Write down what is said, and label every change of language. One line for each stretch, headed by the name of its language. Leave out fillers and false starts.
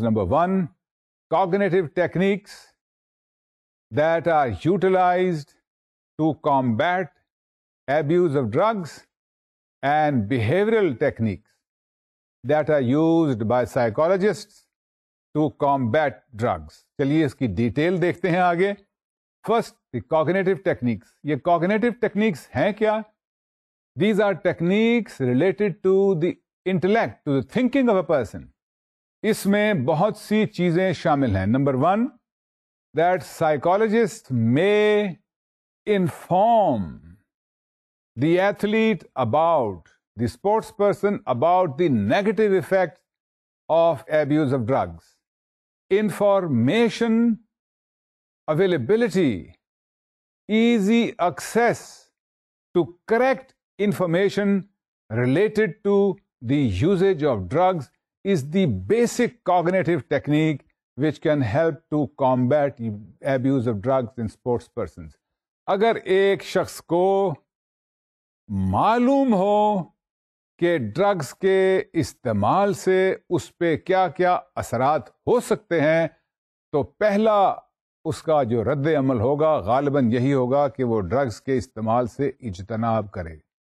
English: Number one, cognitive techniques that are utilized to combat abuse of drugs, and behavioral techniques that are used by psychologists to combat drugs.
Urdu: چلیے اس کی detail دیکھتے ہیں آگے.
English: First, the cognitive techniques.
Urdu: یہ
English: cognitive techniques
Urdu: ہیں کیا؟
English: These are techniques related to the intellect, to the thinking of a person.
Urdu: اس میں بہت سی چیزیں شامل ہیں.
English: Number one, that psychologist may inform the athlete about, the sports person about the negative effect of abuse of drugs. Information availability, easy access to correct information related to the usage of drugs is the basic cognitive technique which can help to combat abuse of drugs in sports persons.
Urdu: اگر ایک شخص کو معلوم ہو کہ drugs کے استعمال سے اس پہ کیا کیا اثرات ہو سکتے ہیں, تو پہلا اس کا جو رد عمل ہوگا غالباً یہی ہوگا کہ وہ ڈرگز کے استعمال سے اجتناب کرے.